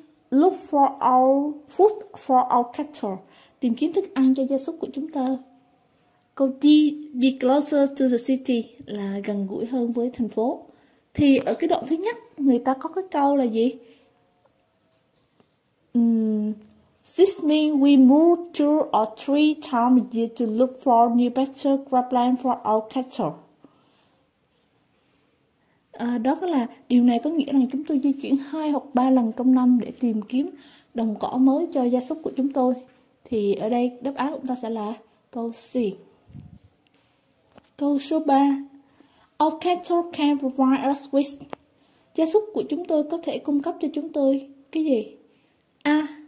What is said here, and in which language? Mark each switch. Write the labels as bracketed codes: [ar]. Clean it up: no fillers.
[en] Look for our food for our cattle. [vi] Tìm kiếm thức ăn cho gia súc của chúng ta. Câu đi [en] be closer to the city [vi] là gần gũi hơn với thành phố. Thì ở cái đoạn thứ nhất người ta có cái câu là gì? [en] This means we move two or three times a year to look for new better grassland for our cattle. [vi] Đó là điều này có nghĩa là chúng tôi di chuyển hai hoặc ba lần trong năm để tìm kiếm đồng cỏ mới cho gia súc của chúng tôi. Thì ở đây đáp án của chúng ta sẽ là câu C. Câu số 3. [en] Our cattle can provide us with. [vi] Gia súc của chúng tôi có thể cung cấp cho chúng tôi cái gì? A.